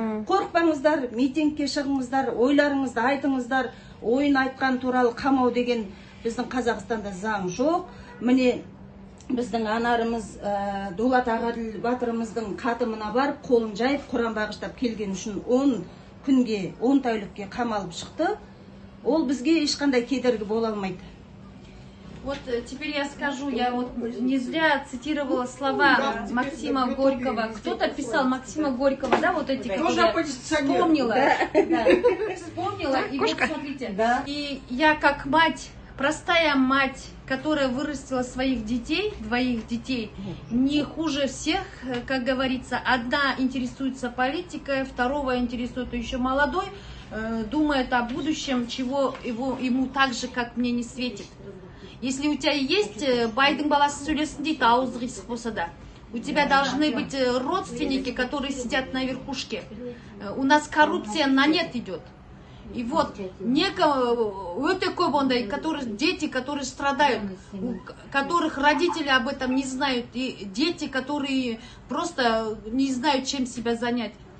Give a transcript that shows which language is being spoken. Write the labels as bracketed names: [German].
[Kazakh] Қорықпаңыздар, митингке шығыңыздар, ойларыңызды айтыңыздар, ойын айтқан туралы қамау деген біздің Қазақстанда заң жоқ. Міне біздің анарымыз Дулат Ағаділ батырымыздың қатымына барып, қолын жайып, Құран бағыштап келген үшін 10 күнге, 10 тәулікке қамалып шықты. Ол бізге ешқандай кедергі бола алмайды. [Russian] Вот теперь я скажу, я вот не зря цитировала слова Максима Горького. Кто-то писал Максима Горького, да, вот эти, которые вспомнила. Да. Вспомнила, и вот смотрите. Да. И я как мать, простая мать, которая вырастила своих детей, двоих детей, не хуже всех, как говорится. Одна интересуется политикой, второго интересует еще молодой, думает о будущем, чего его, ему так же, как мне, не светит. Если у тебя есть [Kazakh] байдың баласы сөйлесін дейді, ауызы қисық болса да. [Russian] У тебя должны быть родственники, которые сидят на верхушке. У нас коррупция на нет идет. И вот некого, такой, который, дети, которые страдают, у которых родители об этом не знают, и дети, которые просто не знают, чем себя занять.